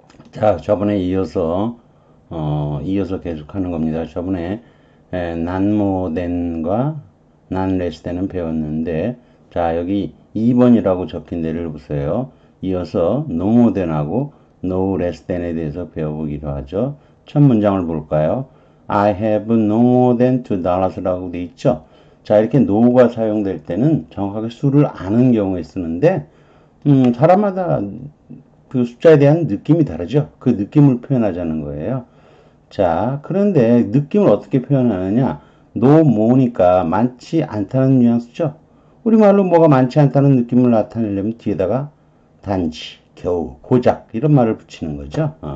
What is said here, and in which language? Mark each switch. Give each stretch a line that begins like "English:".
Korean: 자, 저번에 이어서, 이어서 계속하는 겁니다. 저번에 난모덴과 난레스덴은 배웠는데, 자, 여기 2번이라고 적힌 데를 보세요. 이어서 노모덴하고 노레스덴에 대해서 배워보기로 하죠. 첫 문장을 볼까요?
English: I have no more than $2
Korean: 라고 돼 있죠. 자, 이렇게 no가 사용될 때는 정확하게 수를 아는 경우에 쓰는데, 사람마다 그 숫자에 대한 느낌이 다르죠? 그 느낌을 표현하자는 거예요. 자, 그런데 느낌을 어떻게 표현하느냐? no more니까 많지 않다는 뉘앙스죠? 우리말로 뭐가 많지 않다는 느낌을 나타내려면 뒤에다가 단지, 겨우, 고작, 이런 말을 붙이는 거죠.